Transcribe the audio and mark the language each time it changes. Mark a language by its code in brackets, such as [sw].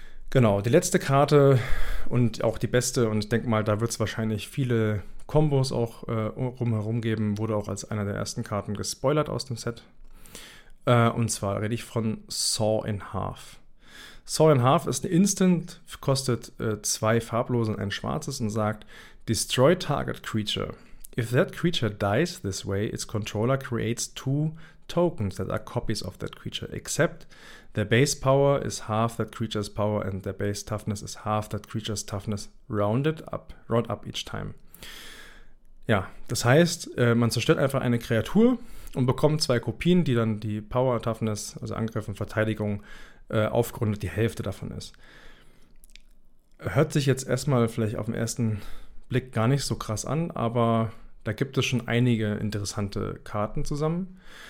[de] Genau, die letzte Karte und auch die beste, und ich denke mal, da wird es wahrscheinlich viele Kombos auch rumherum geben, wurde auch als einer der ersten Karten gespoilert aus dem Set. Und zwar rede ich von Saw in Half. Saw in Half ist ein Instant, kostet 2 farblose und ein schwarzes und sagt, [en] Destroy target creature. If that creature dies this way, its controller creates 2 tokens that are copies of that creature, except their base power is half that creature's power and their base toughness is half that creature's toughness round up each time. [de] Ja, das heißt, man zerstört einfach eine Kreatur und bekommt 2 Kopien, die dann die Power und Toughness, also Angriff und Verteidigung, aufgerundet die Hälfte davon ist. Hört sich jetzt erstmal vielleicht auf den ersten Blick gar nicht so krass an, aber da gibt es schon einige interessante Karten zusammen.